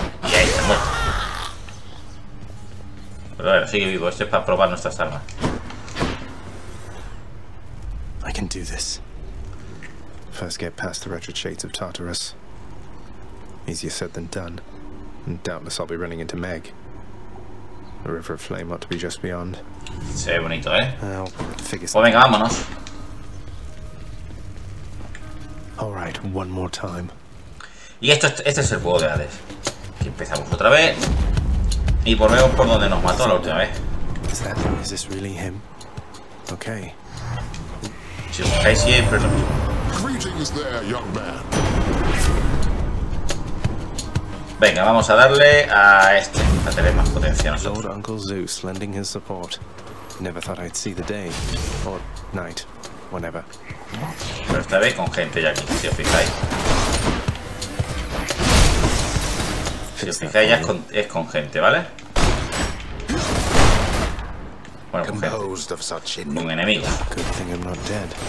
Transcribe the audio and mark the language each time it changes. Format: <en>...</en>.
<es>Y ahí está. Pero bueno, sigue vivo. Esto es para probar nuestras armas.</es> <en>I can do this. First, get past the wretched shades of Tartarus. Easier said than done. And doubtless I'll be running into Meg. The River of Flame ought to be just beyond.</en> <es>Se ve bonito, ¿eh? Pues venga, vámonos.</es> <en>All right, one more time.</en> <es>Y este es el juego de Hades. Aquí empezamos otra vez. Y volvemos por donde nos mató la última vez.</es> <en>Is that, is this really him? Okay.</en> <es>Sí, okay, sí, pero no.</es> <en>Greetings there, young man.</en> <es>Venga, vamos a darle a este, a tener más potencia nosotros.</es> <en>Lord Uncle Zeus lending his support. Never thought I'd see the day, or night, whenever.</en> <es>Pero esta vez con gente ya aquí, si os fijáis. Si os fijáis ya es con gente, ¿vale? Bueno, con gente. Con un enemigo.</es> <en>Good thing I'm not dead.</en>